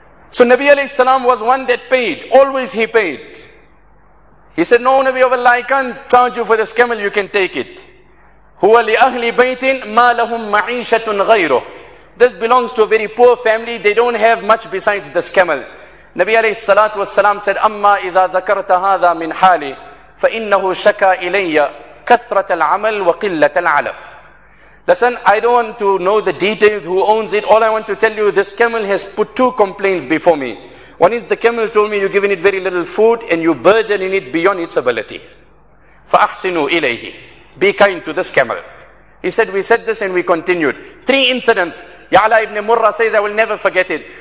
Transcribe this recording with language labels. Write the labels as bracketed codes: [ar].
[en] So Nabi alayhi salam was one that paid. Always he paid. He said, no, Nabi of Allah, I can't charge you for this camel, you can take it. [ar] هُوَ لِأَهْلِ بَيْتٍ مَا لَهُمْ مَعِيشَةٌ غَيْرُهُ. [en] This belongs to a very poor family, they don't have much besides this camel. Nabi alayhi salatu wasalam said, [ar] أَمَّا إِذَا ذَكَرْتَ هَذَا مِنْ حَالِ فَإِنَّهُ شَكَى إِلَيَّ كَثْرَةَ الْعَمَلْ وَقِلَّةَ الْعَلَفِ. [en] Listen, I don't want to know the details, who owns it. All I want to tell you, this camel has put two complaints before me. One is the camel told me you've given it very little food and you're burdening it beyond its ability. [ar] فَأَحْسِنُوا إِلَيْهِ. [en] Be kind to this camel. He said, we said this and we continued. Three incidents. Ya'la ibn Murra says, I will never forget it.